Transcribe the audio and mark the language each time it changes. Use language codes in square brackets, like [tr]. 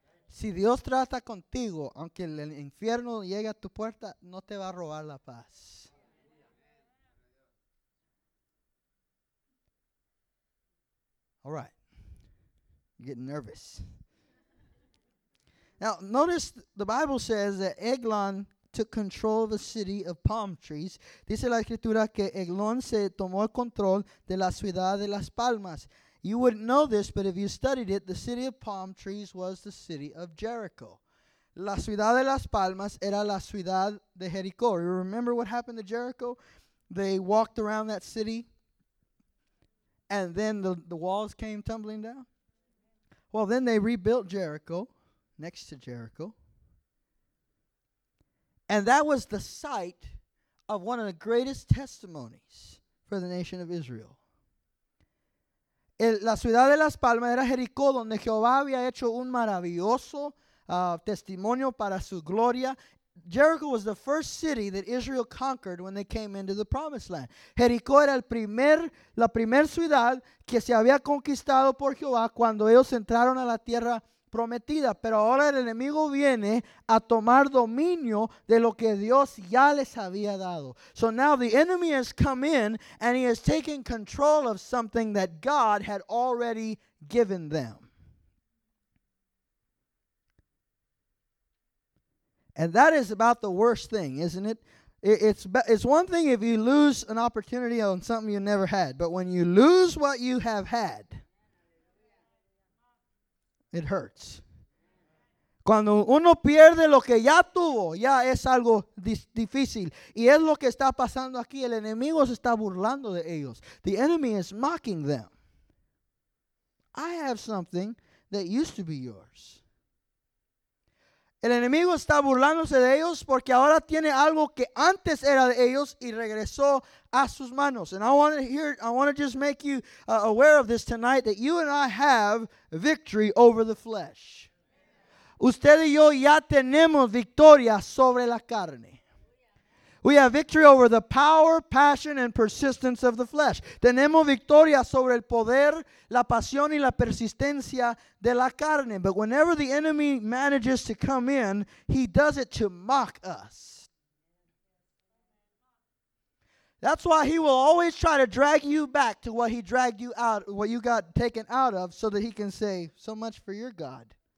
[es] Si Dios trata contigo, aunque el infierno llegue a tu puerta, no te va a robar la paz. [en] All right. You're getting nervous. Now, notice the Bible says that Eglon took control of the city of palm trees. [es] Dice la escritura que Eglon se tomó el control de la ciudad de las palmas. [en] You wouldn't know this, but if you studied it, the city of palm trees was the city of Jericho. [es] La ciudad de las palmas era la ciudad de Jericó. [en] You remember what happened to Jericho? They walked around that city, and then the walls came tumbling down. Well, then they rebuilt Jericho, next to Jericho. And that was the site of one of the greatest testimonies for the nation of Israel. [es] La ciudad de las palmas era Jericó, donde Jehová había hecho un maravilloso testimonio para su gloria. [en] Jericho was the first city that Israel conquered when they came into the promised land. [es] Jericó era la primer ciudad que se había conquistado por Jehová cuando ellos entraron a la tierra prometida. Pero ahora el enemigo viene a tomar dominio de lo que Dios ya les había dado. [en] So now the enemy has come in and he has taken control of something that God had already given them. And that is about the worst thing, isn't it? It's one thing if you lose an opportunity on something you never had, but when you lose what you have had, it hurts. [es] Cuando uno pierde lo que ya tuvo, ya es algo difícil. Y es lo que está pasando aquí. El enemigo se está burlando de ellos. [en] The enemy is mocking them. I have something that used to be yours. [es] El enemigo está burlándose de ellos porque ahora tiene algo que antes era de ellos y regresó a sus manos. [en] And I want to just make you aware of this tonight, that you and I have victory over the flesh. [es] Usted y yo ya tenemos victoria sobre la carne. [en] We have victory over the power, passion, and persistence of the flesh. [es] Tenemos victoria sobre el poder, la pasión, y la persistencia de la carne. [en] But whenever the enemy manages to come in, he does it to mock us. That's why he will always try to drag you back to what he dragged you out, what you got taken out of, so that he can say, so much for your God.